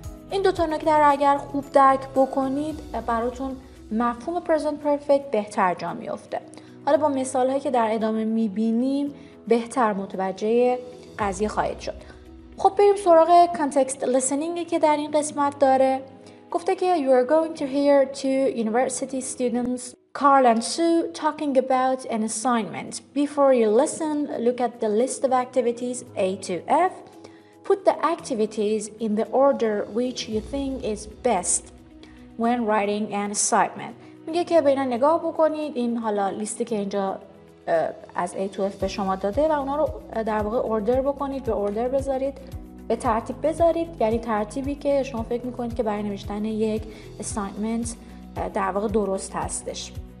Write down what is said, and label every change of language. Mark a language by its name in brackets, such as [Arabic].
[Persian] این دو تا نکته رو اگر خوب درک بکنید براتون مفهوم present perfect بهتر جا میفته. حالا با مثال‌هایی که در ادامه می‌بینیم بهتر متوجه قضیه خواهید شد. خب بریم سراغ context listening که در این قسمت داره. گفته که [English] You are going to hear two university students, Carl and Sue, talking about an assignment. Before you listen, look at the list of activities A to F. Put the activities in the order which you think is best when writing an assignment. [Persian] میگه که به اینا نگاه بکنید، این حالا لیستی که اینجا از [English] A to F [Persian] به شما داده و اونا رو در واقع اوردر بکنید، به اوردر بذارید، به ترتیب بذارید، یعنی ترتیبی که شما فکر میکنید که برای نوشتن یک assignment در واقع درست هستش.